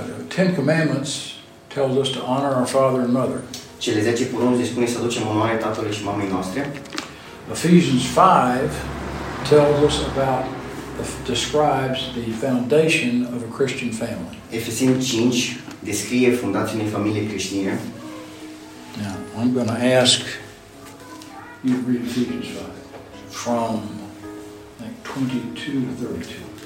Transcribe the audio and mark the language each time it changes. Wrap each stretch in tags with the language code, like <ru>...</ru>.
<en>Ten Commandments tells us to honor our father and mother.</en> <ro>Cele 10 porunci spune să ducem onoare tatălui și mamei noastre.</ro> <en>Ephesians 5 tells us about describes the foundation of a Christian family.</en> <ro>Efeseni 5 descrie fundația unei familii creștine.</ro> <en>Now, I'm going to ask you to read Ephesians 5 from like</en>